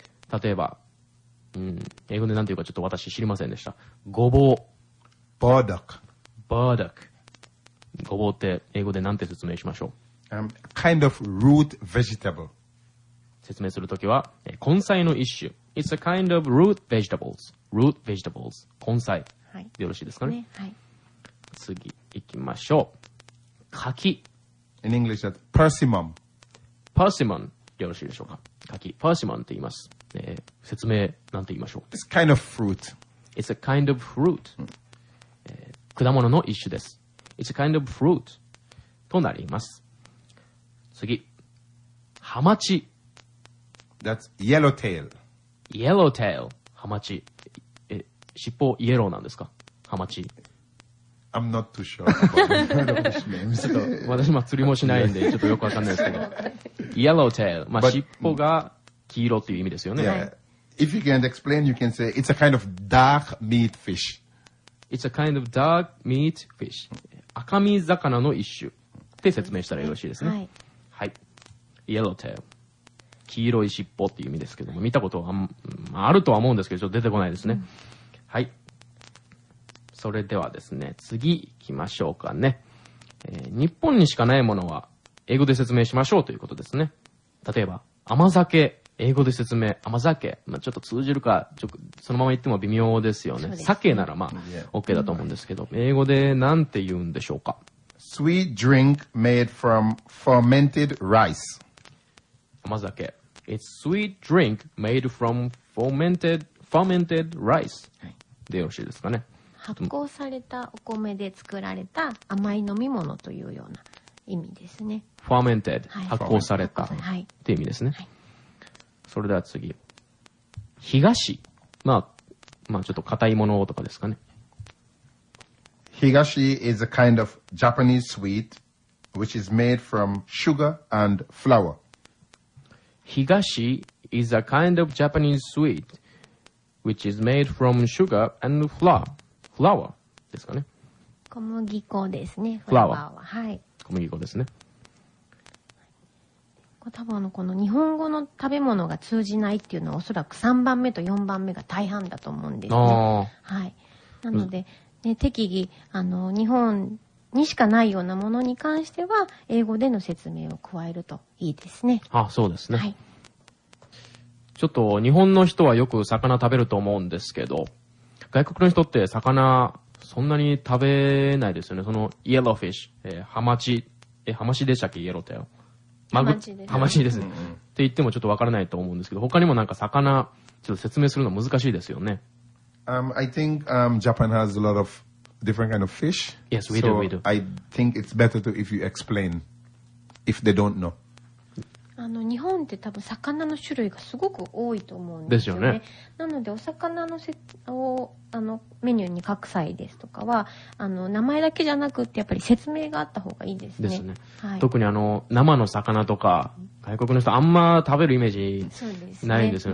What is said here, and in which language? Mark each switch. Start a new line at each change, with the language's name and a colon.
Japanese: 例えば、英語でなんていうかちょっと私知りませんでした。ごぼう、
English: バーダック、
Japanese: バーダック。ごぼうって英語でなんて説明しましょう。
English: kind of root vegetable.
Japanese: 説明するときは、根菜の一種。
English: It's a kind of root vegetables. Root vegetables. 根菜。
Japanese: はい、よろしいですかね。ね、はい、次、いきましょう。柿。
English: In English, that's persimmon. Persimmon.
Japanese: よろしいでしょうか。柿。Persimmon と言います。説明、なんて言いましょう。
English: It's kind of fruit. It's a kind of fruit.、うん、
Japanese: 果物の一種です。
English: It's a kind of fruit.
Japanese: となります。次、ハマチ。
English: That's yellowtail. Yellowtail. ハマチ。
Japanese: 尻尾イエローなんですか、ハマチ。
English: I'm not too sure about the names.
Japanese: 私、釣りもしないんで、ちょっとよくわかんないですけど。
English: Yellowtail.
Japanese: まあ、尻尾が黄色っていう意味ですよね。
English: Yeah. If you can't explain, you can say it's a kind of dark meat fish. It's a kind of dark meat fish.
Japanese: 赤身魚の一種。って説明したらよろしいですね。はい。はい、Yellowtail. 黄色い尻尾っていう意味ですけども、見たことは あるとは思うんですけど、ちょっと出てこないですね、うん、はい、それではですね、次いきましょうかね、日本にしかないものは英語で説明しましょうということですね。例えば甘酒、英語で説明甘酒、まあ、ちょっと通じるかちょそのまま言っても微妙ですよね。酒ならまあ、うん、OK だと思うんですけど、英語でなんて言うんでしょうか。
English: Sweet drink made from fermented rice.
Japanese: 甘酒。
English: It's sweet drink made from fermented rice.、
Japanese: はい、でよろしいですかね。発酵されたお米で作られた甘い飲み物というような意味ですね。
English: Fermented、
Japanese: はい、発酵された、はい、って意味ですね、はい。それでは次。東。まあ、まあちょっと硬いものとかですかね。
English: 東 is a kind of Japanese sweet which is made from sugar and flour. Higashi is a kind of Japanese sweet which is made from sugar and flour.
Japanese: Flour ですかね。小麦粉ですね。
English: Flour
Japanese: は、はい。小麦粉ですね。多分この日本語の食べ物が通じないっていうのはおそらく3番目と4番目が大半だと思うんですね。あ、はい、なので、ね、適宜日本にしかないようなものに関しては英語での説明を加えるといいですね。あ、そうですね、はい、ちょっと日本の人はよく魚食べると思うんですけど、外国の人って魚そんなに食べないですよね。そのイエローフィッシュ、ハマチ、ハマチでしたっけ、イエローテオ、ハマチです、ハマチですね、って言ってもちょっとわからないと思うんですけど、他にもなんか魚ちょっと説明するの難しいですよね。
English: I think Japan has a lot ofDifferent kind of fish. Yes, we do. So we do. I think it's better to if you explain if they don't know.
Japanese: 日本って多分魚の種類がすごく多いと思うんですよね。なのでお魚のをメニューに書く際ですとかは名前だけじゃなくってやっぱり説明があった方がいいですね。ですね、はい、特に生の魚とか外国の人あんま食べるイメージないんですよ。